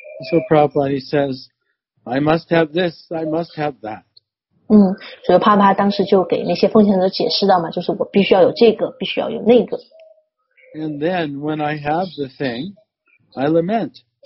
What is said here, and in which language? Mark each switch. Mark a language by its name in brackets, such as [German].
[English] So Prabhupada says, I must have this, I must have that. [Chinese] 所以帕帕当时就给那些奉献者解释到嘛，就是我必须要有这个，必须要有那个。 [English] And then when I have the thing, I lament.